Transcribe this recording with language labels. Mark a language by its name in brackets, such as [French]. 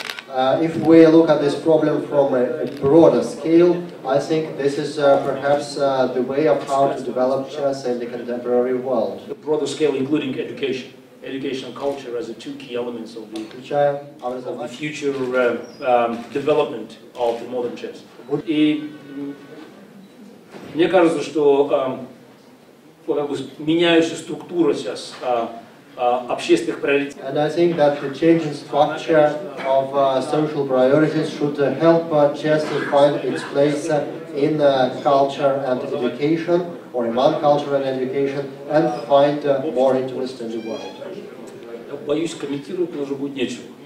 [English] If we look at this problem from a broader scale, I think this is perhaps the way of how to develop chess in the contemporary world. The broader scale, including education. Education and culture as the two key elements of the future development of the modern chess. [Russian] И мне кажется, что меняющая структура сейчас общественных приоритетов. [English] And I think that the changing structure of social priorities should help chess to find its place in culture and education, or among culture and education, and find more interest in the world. [Russian] Боюсь, комментировать уже будет нечего.